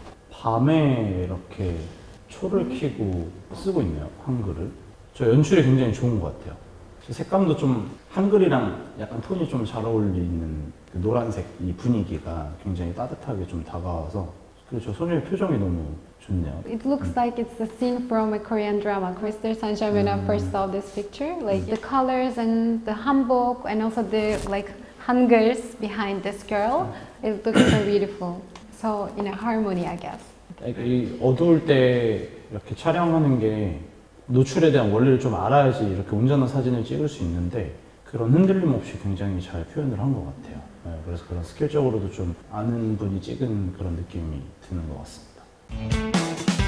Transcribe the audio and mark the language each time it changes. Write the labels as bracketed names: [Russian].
[Korean] 밤에 이렇게 초를 켜고 쓰고 있네요, 한글을. 저 연출이 굉장히 좋은 것 같아요. 색감도 좀 한글이랑 약간 톤이 좀 잘 어울리는 그 노란색 이 분위기가 굉장히 따뜻하게 좀 다가와서 그리고 저 소녀의 표정이 너무 좋네요. [English] It looks like it's a scene from a Korean drama, Crystal Sunshine, when I first saw this picture. Like the colors and the hanbok and also the like hangers behind this girl. It looks so beautiful. So in a harmony, I guess. [Korean] 이 어두울 때 이렇게 촬영하는 게 노출에 대한 원리를 좀 알아야지 이렇게 온전한 사진을 찍을 수 있는데 그런 흔들림 없이 굉장히 잘 표현을 한 것 같아요. 네, 그래서 그런 스킬적으로도 좀 아는 분이 찍은 그런 느낌이 드는 것 같습니다.